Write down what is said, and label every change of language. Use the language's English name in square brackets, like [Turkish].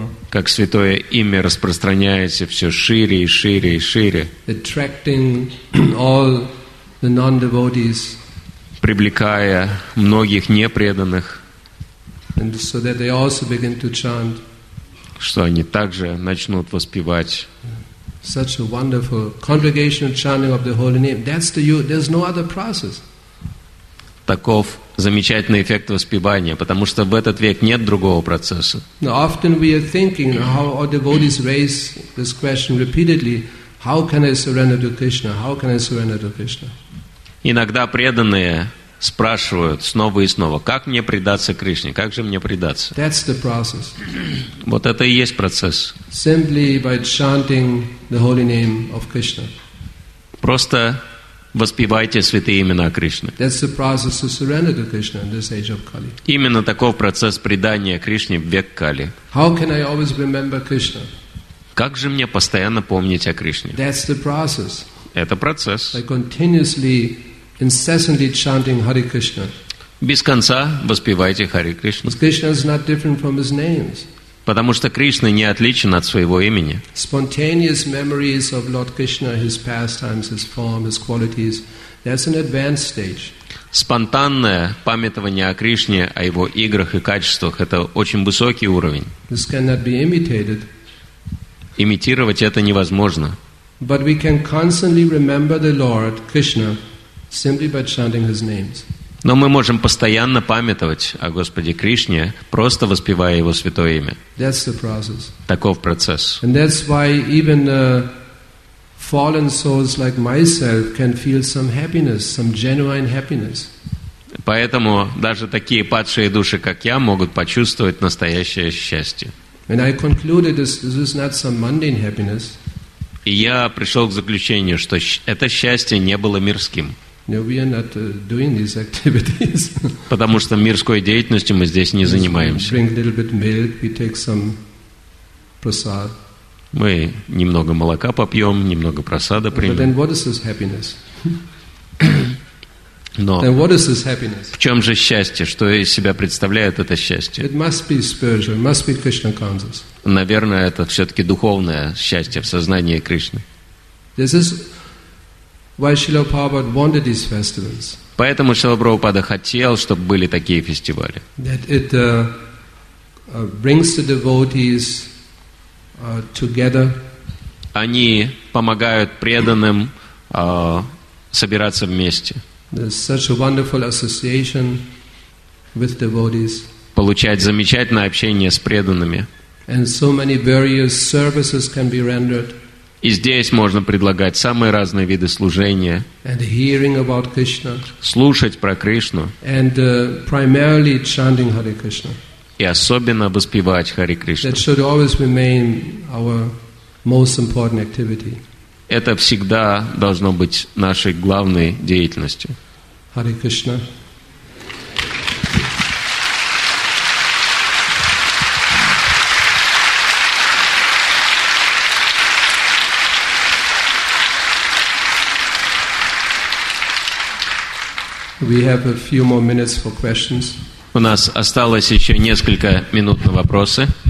[Russian] Как святое имя распространяется все шире и шире и шире. [English] Attracting all the non-devotees. [Russian] Привлекая многих непреданных. [English] And so that they also begin to chant. [Russian] Что они также начнут воспевать. [English] Such a wonderful congregational chanting of the holy name. That's the you. There's no other process. [Russian] Таков замечательный эффект воспевания, потому что в этот век нет другого процесса. [English] Now, often we are thinking how our devotees raise this question repeatedly: How can I surrender to Krishna? How can I surrender to Krishna? [Russian] Иногда преданные спрашивают снова и снова: Как мне предаться Кришне? Как же мне предаться? [English] That's the process. [Russian] Вот это и есть процесс. [English] Simply by chanting the holy name of Krishna. [Russian] Просто воспевайте святые имена Кришны. [English] That's the process to surrender to Krishna in this age of Kali. [Russian] Именно таков процесс предания Кришне в век Кали. [English] How can I always remember Krishna? [Russian] Как же мне постоянно помнить о Кришне? [English] That's the process. [Russian] Это процесс. [English] By continuously, incessantly chanting Hare Krishna. [Russian] Без конца воспевайте Хари Кришну. [English] Because Krishna is not different from his names. [Russian] Потому что Кришна не отличен от своего имени. [English] Spontaneous memories of Lord Krishna, his pastimes, his form, his qualities, that's an advanced stage. [Russian] Спонтанное памятование о Кришне, о его играх и качествах, это очень высокий уровень. [English] This cannot be imitated. [Russian] Имитировать это невозможно. [English] But we can constantly remember the Lord Krishna simply by chanting his names. [Russian] Но мы можем постоянно памятовать о Господе Кришне, просто воспевая Его святое имя. [English] That's the process. [Russian] Таков процесс. [English] And that's why even fallen souls like myself can feel some happiness, some genuine happiness. [Russian] Поэтому даже такие падшие души, как я, могут почувствовать настоящее счастье. [English] And I concluded this is not some mundane happiness. [Russian] И я пришел к заключению, что это счастье не было мирским. [English] No, we are not doing these activities. [Russian] Потому что мирской деятельностью мы здесь не занимаемся. [English] We bring a little bit of milk, we take some prasad. [Russian] Мы немного молока попьем, немного прасада примем. [English] But then what is this happiness? [Russian] Но [English] then what is this happiness? [Russian] В чем же счастье? Что из себя представляет это счастье? [English] It must be spiritual, it must be Krishna consciousness. [Russian] Наверное, это все-таки духовное счастье в сознании Кришны. [English] This is why Srila Prabhupada wanted these festivals. [Russian] Поэтому Шрила Прабхупада хотел, чтобы были такие фестивали. [English] That it brings the devotees together. [Russian] Они помогают преданным собираться вместе. [English] There's such a wonderful association with devotees. [Russian] Получать замечательное общение с преданными. [English] And so many various services can be rendered. [Russian] И здесь можно предлагать самые разные виды служения. [English] And hearing about Krishna. [Russian] Слушать про Кришну. [English] And primarily chanting Hare Krishna. [Russian] И особенно воспевать Харе Кришну. [English] That should always remain our most important activity. [Russian] Это всегда должно быть нашей главной деятельностью. Харе Кришна. [English] We have a few more minutes for questions. [Russian] У нас осталось еще несколько минут на вопросы.